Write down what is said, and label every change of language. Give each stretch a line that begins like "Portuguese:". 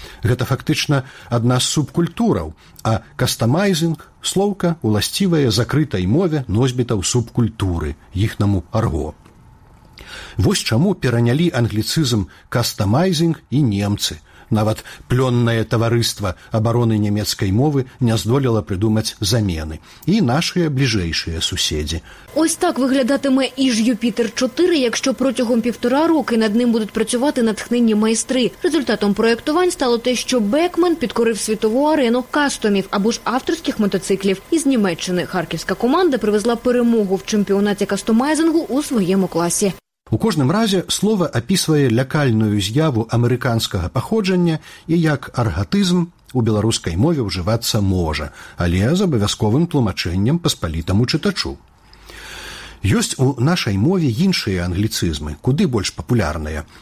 Belarusian: Гэта фактычна адна з субкультураў, а «кастамайзінг» – слоўка, уласцівая закрытай мове носьбітаў субкультуры, іхнаму арго. Вось чаму перанялі англіцызм «кастамайзінг» і немцы – Нават плённае таварыства абароны нямецкай мовы не здолела прыдумаць замены. І нашыя бліжэйшыя суседзі.
Ukrainian: Ось так выглядатыме «Іж Юпітер 4», якщо протягом півтора роки над ним будуть працювати натхненні майстри. Результатом проєктувань стало те, що Бекман підкорив світову арену кастомів або ж авторських мотоциклів. Із Німеччини харківська команда привезла перемогу в чемпіонаті кастомайзингу у своєму класі.
Belarusian: У кожным разе слова апісвае лякальную з'яву амерыканскага паходжання і як аргатызм у беларускай мове ўжывацца можа, але з абавязковым тлумачэннем паспалітаму чытачу. Ёсць у нашай мове іншыя англіцызмы, куды больш папулярныя.